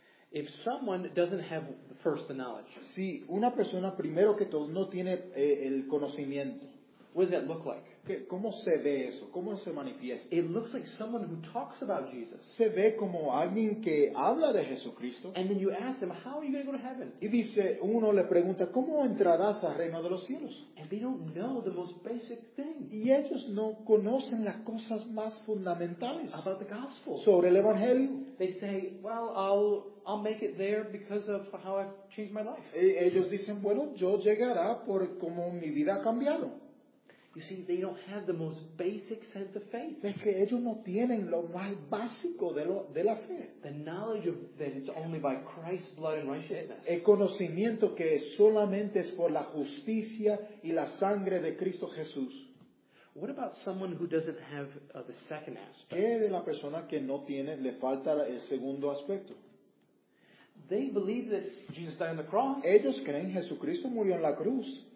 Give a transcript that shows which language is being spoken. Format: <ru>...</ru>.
<en>If someone doesn't have first the knowledge,</en> <es>si una persona primero que todo no tiene el conocimiento,</es> <en>what does that look like?</en> <es>¿Cómo se ve eso? ¿Cómo se manifiesta?</es> <en>It looks like someone who talks about Jesus.</en> <es>Se ve como alguien que habla de Jesucristo.</es> <en>And then you ask them, how are you going to go to heaven?</en> <es>Y dice, uno le pregunta, ¿cómo entrarás al reino de los cielos?</es> <en>And they don't know the most basic thing.</en> <es>Y ellos no conocen las cosas más fundamentales.</es> <en>About the gospel.</en> <es>Sobre el evangelio.</es> <en>They say, well, I'll make it there because of how I've changed my life.</en> <es>Y ellos dicen, bueno, yo llegará por cómo mi vida ha cambiado.</es> <en>You see, they don't have the most basic sense of faith.</en> <es>Es que ellos no tienen lo más básico de la fe.</es> <en>The knowledge of that it's only by Christ's blood and righteousness.</en> <es>El conocimiento que solamente es por la justicia y la sangre de Cristo Jesús.</es> <en>What about someone who doesn't have the second aspect?</en> <es>¿Qué de la persona que no tiene, le falta el segundo aspecto?</es> <en>They believe that Jesus died on the cross.</en> <es>Ellos creen que Jesucristo murió en la cruz.</es>